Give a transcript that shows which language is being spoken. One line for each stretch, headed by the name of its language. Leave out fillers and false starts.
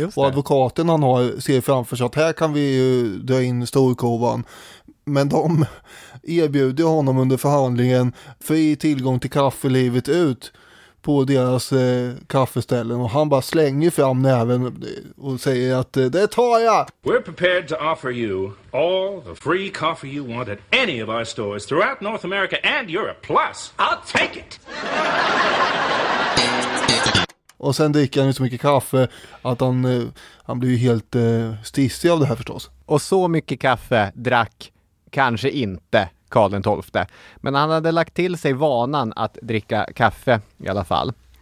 Swedish: Och advokaten han har ser framför sig att här kan vi ju dra in storkovan. Men de erbjuder honom under förhandlingen fri tillgång till kaffe livet ut på deras kaffeställen, och han bara slänger fram näven och säger att det tar jag.
English: We're prepared to offer you all the free coffee you want at any of our stores throughout North America and Europe. Plus, I'll take it.
Swedish: Och sen dricker han ju så mycket kaffe att han blir ju helt stissig av det här förstås. Och så mycket kaffe drack kanske inte Karl den 12:e. Men han hade lagt till sig vanan att dricka kaffe i alla fall.